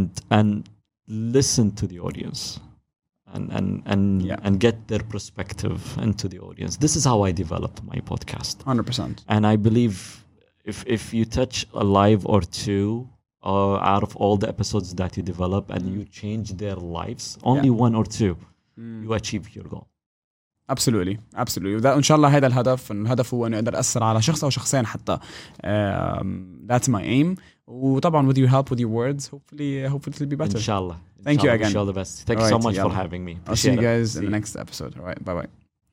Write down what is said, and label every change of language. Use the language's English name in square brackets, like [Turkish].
[English] And listen to the audience and get their perspective into the audience. This is how I developed my podcast. 100%. And I believe if you touch a live or two out of all the episodes that you develop and you change their lives, only one or two, you achieve your goal. Absolutely, absolutely. That, [Arabic] إن شاء الله هذا الهدف. الهدف هو إنه أقدر أثر على شخص أو شخصين حتى. [English] That's my aim. [Arabic] وطبعاً [English] with your help, with your words, hopefully it'll be better. [Arabic] إن شاء الله. [English] Thank you again. Inshallah, the best. Thank you so much for having me. I'll see you guys in the next episode. All right, bye.